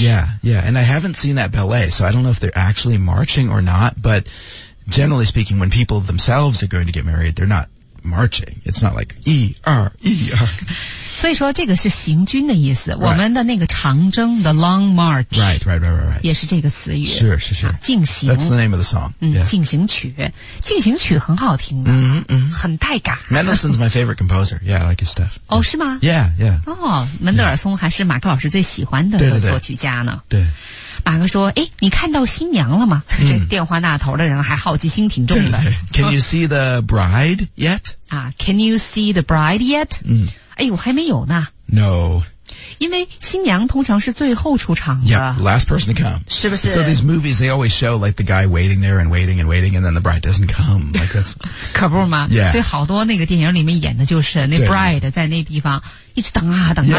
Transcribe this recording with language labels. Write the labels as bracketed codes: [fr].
[en] Yeah yeah and I haven't seen that ballet so I don't know if they're actually marching or not but generally speaking when people themselves are going to get married they're not marching it's not like [zh] 一二一二所以说这个是行军的意思、 [en] right. [zh] 我们的那个长征 [en] The Long March Right [zh] 也是这个词语是是是、啊、进行 [en] That's the name of the song、 yeah. [zh] 进行曲进行曲很好听的、 mm-hmm. 很带感 [en] Mendelssohn's my favorite composer Yeah I like his stuff [zh] 哦、oh, 是吗 [en] Yeah [zh] 哦门德尔松还是马克老师最喜欢的作曲家呢对, 对, 对, 对马克说诶你看到新娘了吗、这电话那头的人还好奇心挺重的 [en] Can you see the bride yet?、啊、can you see the bride yet?、 [zh] 哎呦还没有呢 [en] No [zh] 因为新娘通常是最后出场的 [en] Yeah, last person to come [zh] 是不是 [en] So these movies they always show like the guy waiting there and waiting and waiting and then the bride doesn't come Like that's [zh] 可不吗 [en] Yeah [zh] 所以好多那个电影里面演的就是那 bride 在那地方一直等啊等啊